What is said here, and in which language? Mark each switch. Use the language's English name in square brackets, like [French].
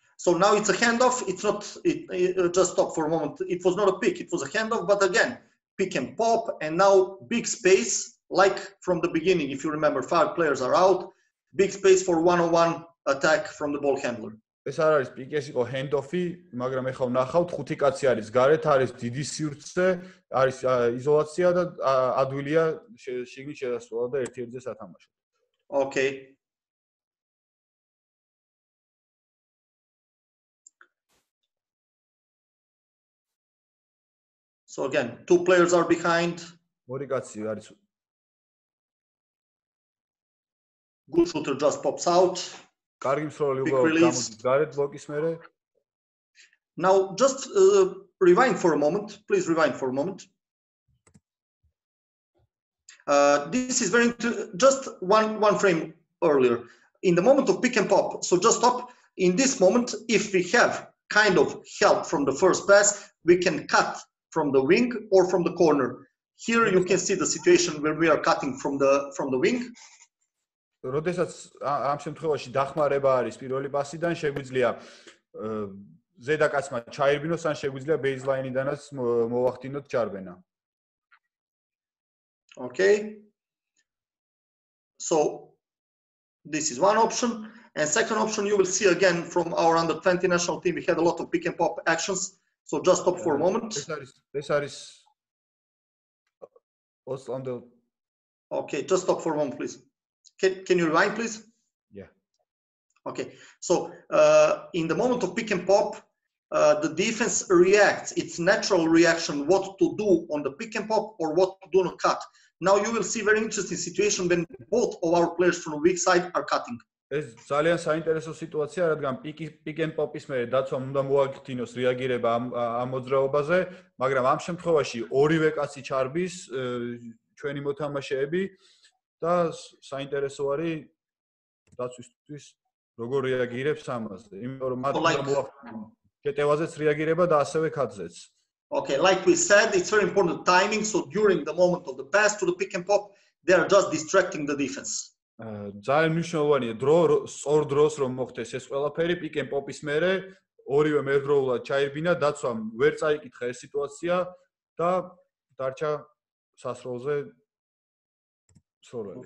[English] So now it's a handoff, it just stopped for a moment. It was not a pick, it was a handoff, but again, pick and pop and now big space like from the beginning if you remember, five players are out, big space for one-on-one attack from the ball handler. [Georgian] ეს არ არის პიკი, ეს იყო ჰენდოფი, მაგრამ ეხლა ვნახავთ, ხუთი კაცი არის გარეთ, არის დიდი სივრცე, არის იზოლაცია და ადვილია შიგნით შესასვლელად და ერთ-ერთზე სათამაშოდ. [English] Okay. So again, two players are behind. [Georgian] ორი კაცი არის. [English] Good shooter just pops out. [Georgian] კარგი მსროლელი უკავს გარეთ ბლოკის მერე. [English] Now just rewind for a moment. Please rewind for a moment. This is very just one frame earlier. In the moment of pick and pop, so just stop. In this moment, if we have kind of help from the first pass, we can cut from the wing or from the corner. Here you can see the situation where we are cutting from the wing. [Georgian] როდესაც ამ შემთხვევაში დახმარება არის პირველი პასიდან შეგვიძლია ზედაკაცმა ჩაერბინოს ან შეგვიძლია ბეიზლაინიდანაც მოვახდინოთ ჩარბენა. [English] Okay. So this is one option. And second option, you will see again from our under 20 national team, we had a lot of pick and pop actions. So just stop for a moment. This is what's on the... Okay, just stop for a moment, please. Can you rewind, please? Yeah. Okay, so in the moment of pick and pop, the defense reacts, its natural reaction, what to do on the pick and pop or what to do on a cut. Now you will see very interesting situation when both of our players from the weak side are cutting. [Georgian] ეს ძალიან საინტერესო სიტუაცია, რადგან პიკ ენ პოპის მე დაცვა უნდა მოაგრძინოს რეაგირება ამ მოძრაობაზე, მაგრამ ამ შემთხვევაში ორივე კაცი ჩარბის ჩვენი მოთამაშეები და საინტერესო არის დაცვისთვის როგორ რეაგირებს ამაზე, იმიტომ რომ მათ უნდა მოახდინოს შეტევაზეც რეაგირება და ასევე კაცზეც. [English] Okay, like we said, it's very important timing, so during the moment of the pass to the pick and pop, they are just distracting the defense. [Georgian] ძალიან მნიშვნელოვანია დრო სწორ დროს რომ მოხდეს ეს ყველაფერი პიკ ენ პოპის მერე ორივე მერდროულად ჩაერბინა დაცვამ ვერ წაიკითხა ეს სიტუაცია და დარჩა სასროლზე სროლები.